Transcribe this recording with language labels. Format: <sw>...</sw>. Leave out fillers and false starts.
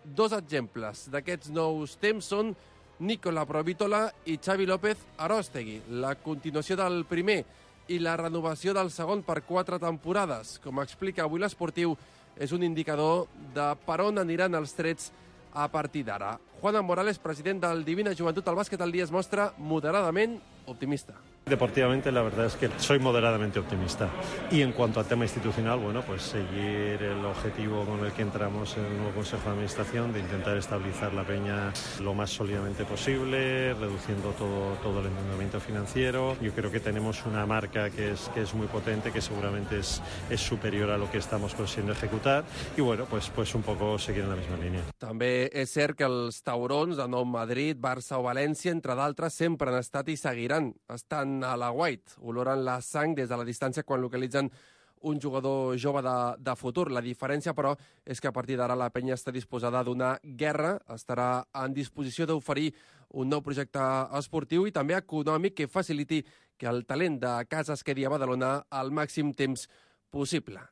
<ca>Dos exemples d'aquests nous temps són Nicola Provitola i Xavi López Aróstegui, la continuació del primer i la renovació del segon per 4 temporades. Com explica avui l'Esportiu, és un indicador de per on aniran els trets a partir d'ara. Juanan Morales, president del Divina Joventut al Bàsquet al Dia, es mostra moderadament optimista.</ca> <es>Deportivamente la verdad es que soy moderadamente optimista, y en cuanto al tema institucional, bueno, pues seguir el objetivo con el que entramos en el nuevo Consejo de Administración, de intentar estabilizar la peña lo más sólidamente posible, reduciendo todo el endeudamiento financiero. Yo creo que tenemos una marca que es muy potente, que seguramente es superior a lo que estamos consiguiendo ejecutar, y bueno, pues un poco seguir en la misma línea.</es> <ca>També és cert que els taurons de Nou Madrid, Barça o València, entre d'altres, sempre han estat i seguiran estant a la White. Oloren la sang des de la distància quan localitzen un jugador jove de futur. La diferència, però, és que a partir d'ara la penya està disposada a donar guerra, estarà en disposició d'oferir un nou projecte esportiu i també econòmic que faciliti que el talent de casa es quedi a Badalona el màxim temps possible.</ca>